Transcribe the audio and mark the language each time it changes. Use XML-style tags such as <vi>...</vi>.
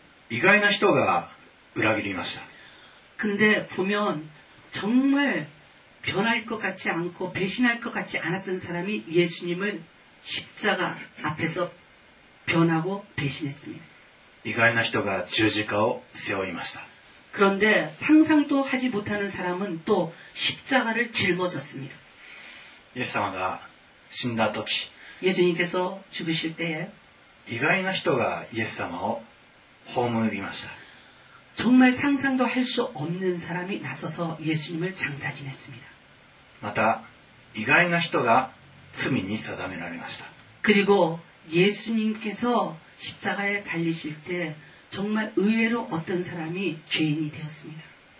<ja>意外な人が裏切りました</ja> <ko>근데보면정말변할것같지않고배신할것같지않았던사람이예수님을십자가앞에서변하고배신했습니다</ko> <ja>意外な人が十字架を背負いました</ja> <ko>그런데상상도하지못하는사람은또십자가를짊어졌습니다</ko> <ja>예수様が死んだ時</ja> <ko>예수님께서죽으실때에</ko> <ja>意外な人がイエス様を葬りました</ja> <ko>정말상상도할수없는사람이나서서예수님을장사지냈습니다</ko> <ja>また意外な人が罪に定められました</ja> <ko>그리고예수님께서십자가에달리실때정말의외로어떤사람이죄인이되었습니다</ko>